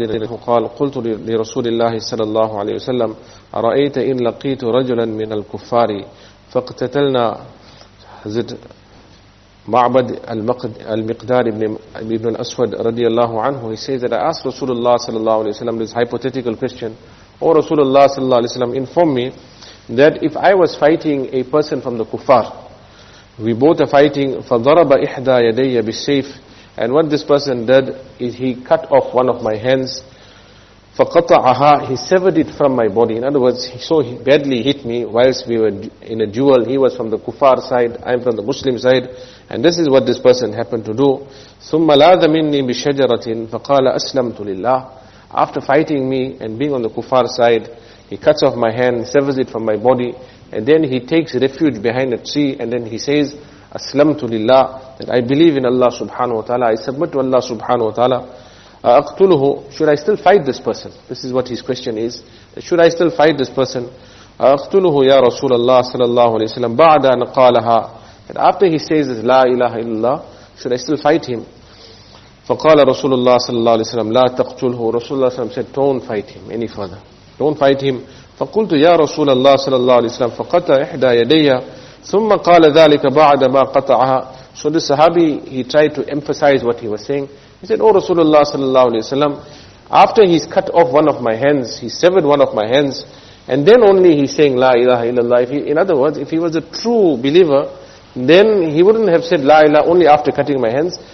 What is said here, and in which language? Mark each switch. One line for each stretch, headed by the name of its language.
Arabic: عنه قال قلت لرسول الله صلى الله عليه وسلم أرأيت إن لقيت رجلا من الكفار فاقتتلنا زد معبد المقدار ابن الأسود رضي الله عنه.
English: He says that I asked Rasulullah صلى الله عليه وسلم this hypothetical question. Oh Rasulullah صلى الله عليه وسلم, inform me that if I was fighting a person from the kuffar, we both are fighting,
Arabic: فضرب إحدى يدي بالسيف,
English: and what this person did is he cut off one of my hands,
Arabic: فقطعها,
English: he severed it from my body. In other words, he so badly hit me whilst we were in a duel. He was from the kuffar side, I am from the Muslim side, and this is what this person happened to do.
Arabic: ثم لاذ مني بشجرة فقال أسلمت لله.
English: After fighting me and being on the kuffar side, he cuts off my hand, severs it from my body, and then he takes refuge behind a tree, and then he says,
Arabic: أسلمت لله,
English: that I believe in Allah subhanahu wa ta'ala, I submit to Allah subhanahu wa ta'ala.
Arabic: أقتله,
English: should I still fight this person? This is what his question is. Should I still fight this person?
Arabic: أقتله يا رسول الله صلى الله عليه وسلم بعد أن قالها.
English: And after he says
Arabic: لا إله إلا الله,
English: should I still fight him?
Arabic: فقال رسول الله صلى الله عليه وسلم لا تقتله.
English: رسول الله صلى الله عليه وسلم said, don't fight him any further. Don't fight him.
Arabic: فقلت يا رسول الله صلى الله عليه وسلم فقطع إحدى يديا ثم قال ذلك بعد ما قطعها.
English: So the Sahabi, he tried to emphasize what he was saying. He said, oh Rasulullah sallallahu alayhi wa sallam, after he's cut off one of my hands, he severed one of my hands, and then only he's saying la ilaha illallah. In other words, if he was a true believer, then he wouldn't have said la ilaha only after cutting my hands.